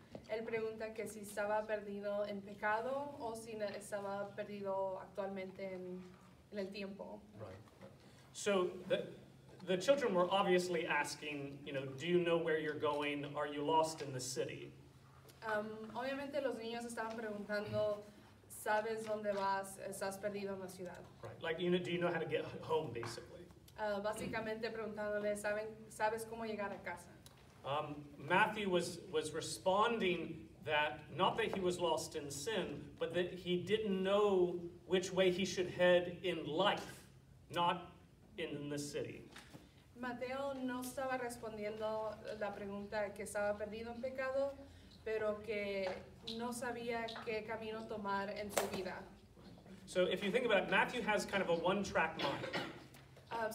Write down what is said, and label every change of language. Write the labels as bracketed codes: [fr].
[es] Él pregunta que si estaba perdido en pecado o si estaba perdido actualmente en el tiempo. [en] Right. So, the children were obviously asking, you know, do you know where you're going? Are you lost in the city? [es] Obviamente los niños estaban preguntando, ¿sabes dónde vas? ¿Estás perdido en la ciudad? [en] Right. Like, you know, do you know how to get home, basically? [es] Básicamente preguntándole, ¿sabes cómo llegar a casa? [en] Matthew was responding that, not that he was lost in sin, but that he didn't know which way he should head in life, not in the city. [es] Mateo no estaba respondiendo la pregunta que estaba perdido en pecado, pero que no sabía qué camino tomar en su vida. [en] So if you think about it, Matthew has kind of a one-track mind.